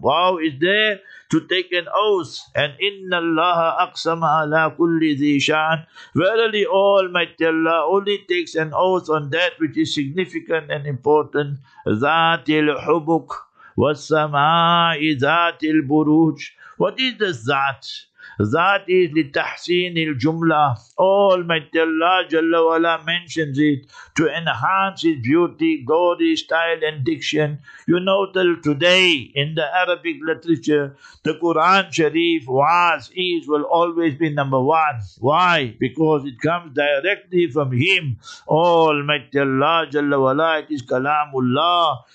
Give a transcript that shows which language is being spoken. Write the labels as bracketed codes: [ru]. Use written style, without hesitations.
[en] Waw is there to take an oath. And inna Allah aqsama ala kulli dhi shan. Verily Almighty Allah only takes an oath on that which is significant and important. Zatil hubuk. [ar] وَالسَّمَاءِ ذَاتِ الْبُرُوجِ. [en] What is the ذات? [ar] ذات is لتحسين الجملة. [en] Almighty Allah Jalla Wala mentions it to enhance his beauty, glory, style and diction. You know till today in the Arabic literature, the Quran Sharif was, is, will always be number one. Why? Because it comes directly from him. Almighty Allah Jalla Wala, it is Kalamullah.